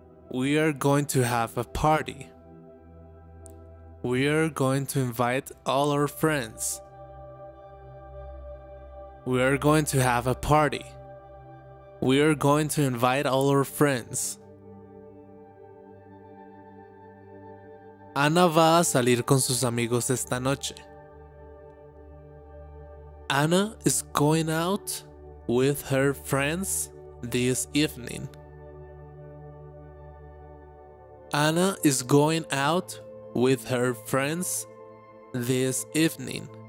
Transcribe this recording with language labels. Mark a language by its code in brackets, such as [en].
[en] We are going to have a party. We are going to invite all our friends. We are going to have a party. We are going to invite all our friends. [es] Ana va a salir con sus amigos esta noche. [en] Ana is going out with her friends this evening. Ana is going out with her friends this evening.